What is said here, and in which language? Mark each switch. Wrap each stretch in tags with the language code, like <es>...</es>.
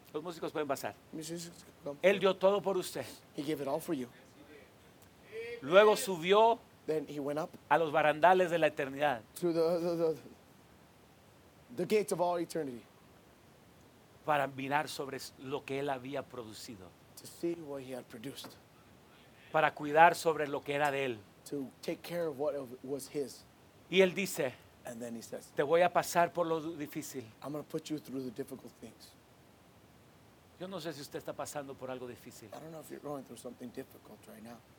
<es>Los músicos pueden pasar.</es> <en>Musicians,</en> <es>Él dio todo por usted.</es> <en>He gave it all for you.</en> <es>Luego subió</es> <en>Then he went up</en> <es>a los barandales de la eternidad.</es> <en>To the gates of all eternity.</en> <es>Para mirar sobre lo que Él había producido.</es> <en>To see what he had produced.</en> <es>Para cuidar sobre lo que era de él.</es> <en>To take care of what was his.</en> <es>Y él dice,</es> <en>And then he says,</en> <es>te voy a pasar por lo difícil.</es> <en>I'm going to put you through the difficult things.</en> <es>Yo no sé si usted está pasando por algo difícil.</es> <en>I don't know if you're going through something difficult right now.</en>